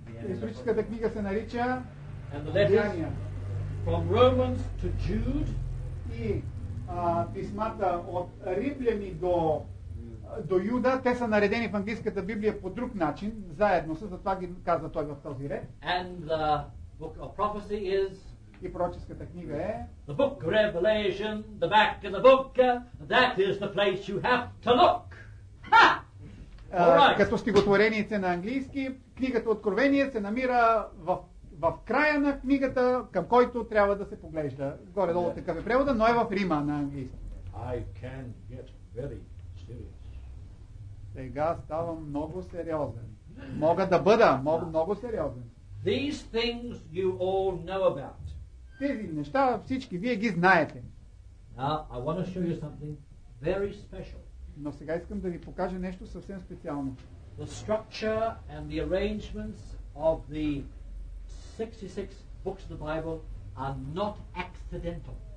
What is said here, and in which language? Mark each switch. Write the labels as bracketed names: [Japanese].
[Bulgarian] Историческата книга се нарича [English] And the letters from Romans to Jude [Bulgarian] и писмата от Римляни до Юда, те са наредени в английската Библия по друг начин, заедно са, затова ги казва той в този ред. [English] And the book of prophecy is [Bulgarian] И пророческата книга е [English] The book of Revelation, the back of the book, that is the place you have to look. Ha! [Bulgarian] Като стихотворениеце на английски, книгата Откровение се намира в края на книгата, към който трябва да се поглежда. Горе-долу такъв е превода, но е в Рима на английски. [English] I can get very serious. [Bulgarian] Сега ставам много сериозен. Мога да бъда много сериозен. [English] These things you all know about. [Bulgarian] Тези неща всички вие ги знаете. [English] Now, I want to show you something very special. [Bulgarian] Но сега искам да ви покажа нещо съвсем специално. [English] The structure and the arrangements of the 66 books of the Bible are not accidental.